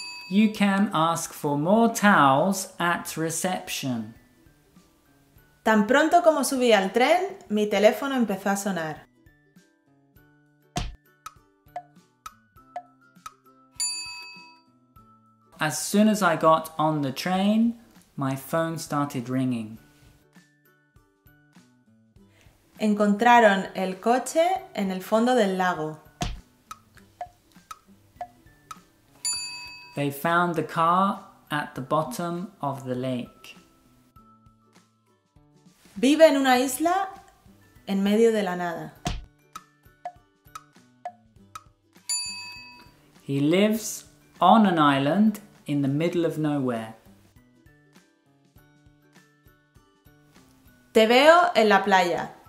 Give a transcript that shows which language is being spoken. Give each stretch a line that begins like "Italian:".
English: You can ask for more towels at reception.
Spanish: Tan pronto como subí al tren, mi teléfono empezó a sonar.
English: As soon as I got on the train, my phone started ringing.
Spanish: Encontraron el coche en el fondo del lago.
English: They found the car at the bottom of the lake.
Spanish: Vive en una isla en medio de la nada.
English: He lives on an island in the middle of nowhere.
Spanish: Te veo en la playa.